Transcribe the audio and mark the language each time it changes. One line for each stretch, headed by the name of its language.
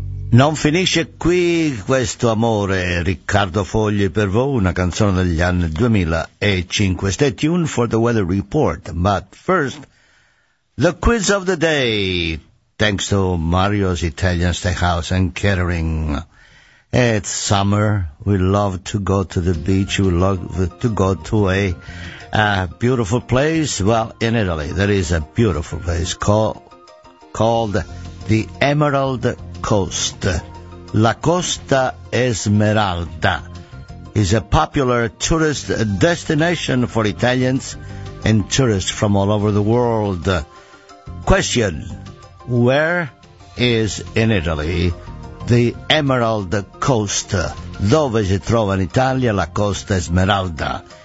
Italian: Non finisce qui questo amore, Riccardo Fogli per voi, una canzone degli anni 2005.
English: Stay tuned for the weather report, but first, the quiz of the day, thanks to Mario's Italian Steakhouse and Catering. It's summer, we love to go to the beach, we love to go to a beautiful place, well, in Italy, there is a beautiful place called the Emerald Coast. La Costa Esmeralda is a popular tourist destination for Italians and tourists from all over the world. Question: where is in Italy the Emerald Coast?
Italian: Dove si trova in Italia la Costa Esmeralda?